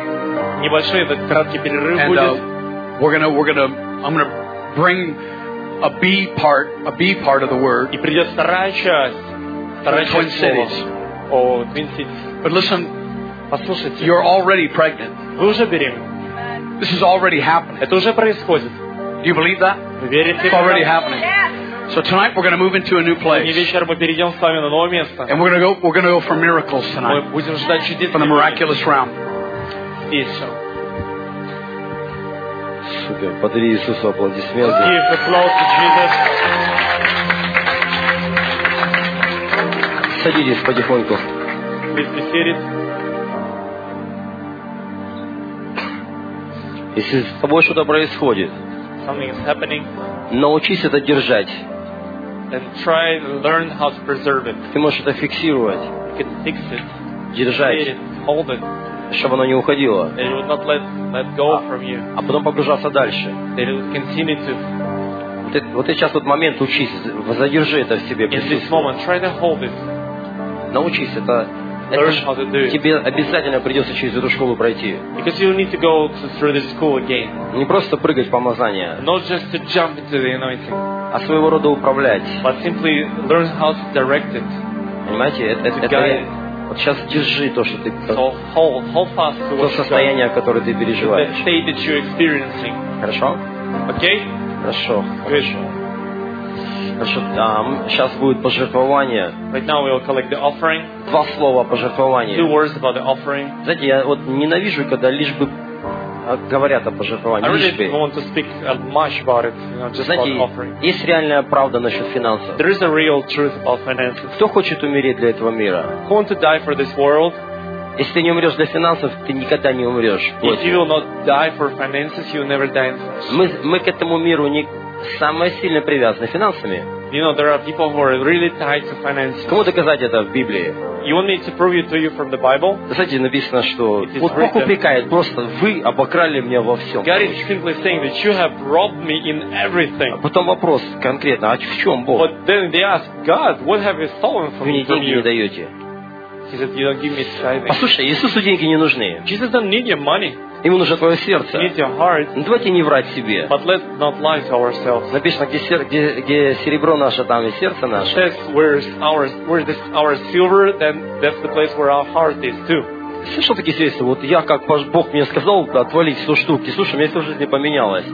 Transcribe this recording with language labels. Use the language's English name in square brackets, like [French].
[Russian] Небольшой этот краткий перерыв будет. [English] I'm going to bring a B part of the word. [Russian] И придет вторая часть. [English] Twin cities. Oh, Twin Cities. But listen, [Russian] послушайте. [English] You're already pregnant. [Russian] Вы уже беременны. [English] This is already happening. [Russian] Это уже происходит. [English] Do you believe that? [Russian] Вы верите? [English] It's already happening. So tonight we're going to move into a new place. And we're going to go for miracles tonight. For the miraculous realm. Super. [Russian] Подари Иисусу аплодисменты. [English] Give the applause to Jesus. [Russian] Садитесь потихоньку. Если с тобой что-то происходит, [English] something is happening. [Russian] Научись это держать. [English] And try to learn how to preserve it. [Russian] Ты можешь это фиксировать. [English] You can fix it. [Russian] Держать. [English] It, hold it. [Russian] Чтобы оно не уходило. [English] And it will not let go from you. [Russian] А потом погружаться дальше. [English] And it will continue to. [Russian] Вот сейчас вот момент, учись, задержи это в себе. [English] In this moment, try to hold it. [Russian] Научись это. [English] Learn how to do it. [Russian] Тебе обязательно придется через эту школу пройти. [English] Because you need to go through this school again. [Russian] Не просто прыгать в помазание. [English] Not just to jump into the anointing. [Russian] А своего рода управлять. [English] But simply learn how to direct it. [Russian] Понимаете, это Вот сейчас держи то, что ты [English] hold fast [Russian] то состояние, которое ты переживаешь. [English] The state that you're experiencing. [Russian] Хорошо? [English] Okay? [Russian] Хорошо. Хорошо. Хорошо, сейчас будет пожертвование. [English] Right now we will collect the offering. [Russian] Два слова о пожертвовании. [English] Two words about the offering. [Russian] Знаете, я вот ненавижу, когда лишь бы говорят о пожертвовании. [English] I really don't want to speak much about it, you know, just [Russian] знаете, [English] about offering. [Russian] Знаете, есть реальная правда насчет финансов. [English] There is a real truth about finances. [Russian] Кто хочет умереть для этого мира? [English] Who wants to die for this world? [Russian] Если ты не умрешь для финансов, ты никогда не умрешь. [English] If you will not die for finances, you will never die. [Russian] Мы к этому миру не самые сильно привязаны финансами. [English] You know, there are people who are really tied to finances. [Russian] Кому доказать это в Библии? [English] You want me to prove it to you from the Bible? [Russian] Знаете, написано, что вот Бог упрекает просто, вы обокрали меня во всем. [English] God is simply saying that you have robbed me in everything. [Russian] А потом вопрос конкретно, а в чем Бог? [English] But then they ask God, what have you stolen from me? [Russian] Вы мне деньги не даете. [English] He said, "You don't give me tithing." [Russian] Послушай, Иисусу деньги не нужны. [English] Jesus doesn't need your money. [Russian] Ему нужно твое сердце. [English] He needs your heart. [Russian] Ну, давайте не врать себе. [English] But let's not lie to ourselves. [Russian] Написано, где серебро наше, там и сердце наше. [English] It says, where is our silver, then that's the place where our heart is too. [Russian] Слышал такие средства? Вот я, как Бог мне сказал, отвалить 100 штуки. Слушай, у меня все в жизни поменялось.